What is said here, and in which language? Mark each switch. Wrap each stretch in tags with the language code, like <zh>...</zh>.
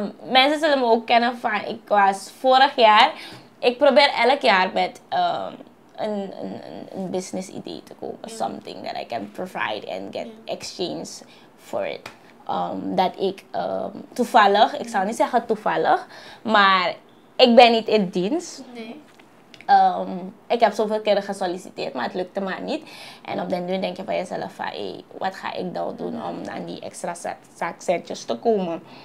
<nl>mensen zullen me ook kennen van, ik was vorig jaar, ik probeer elk jaar met een business idee te kopen. Yeah.</nl> <en>Something that I can provide and get exchange for it.</en> <nl>Dat ik toevallig, ik zou niet zeggen toevallig, maar ik ben niet in dienst. Nee. Ik heb zoveel keren gesolliciteerd, maar het lukte maar niet. En op den duur denk je bij jezelf van, wat ga ik dan doen om aan die extra zakcentjes te komen?</nl>